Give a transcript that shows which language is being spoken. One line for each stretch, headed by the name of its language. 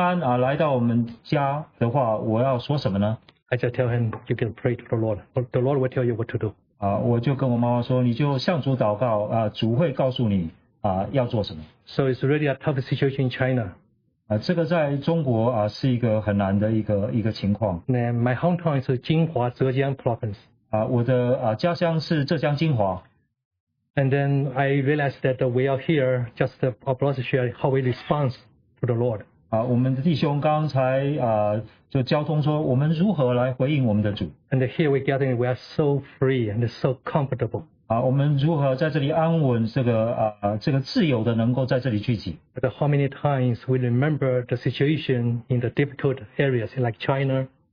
Chinese: 妈妈就问我说，如果这个公安来到我们家的话，我要说什么呢？
English: I just tell him you can pray to the Lord. The Lord will tell you what to do.
Chinese: 我就跟我妈妈说，你就向主祷告，主会告诉你要做什么。
English: So it's really a tough situation in China.
Chinese: 这个在中国是一个很难的一个情况。
English: My hometown is Jinhua, Zhejiang Province.
Chinese: 我的家乡是浙江金华。
English: And then I realized that we are here just our brothers share how we respond to the Lord.
Chinese: 我们的弟兄刚才就交通说我们如何来回应我们的主。
English: And here we gathering, we are so free and so comfortable.
Chinese: 我们如何在这里安稳这个自由的能够在这里聚集。
English: But how many times we remember the situation in the difficult areas like China?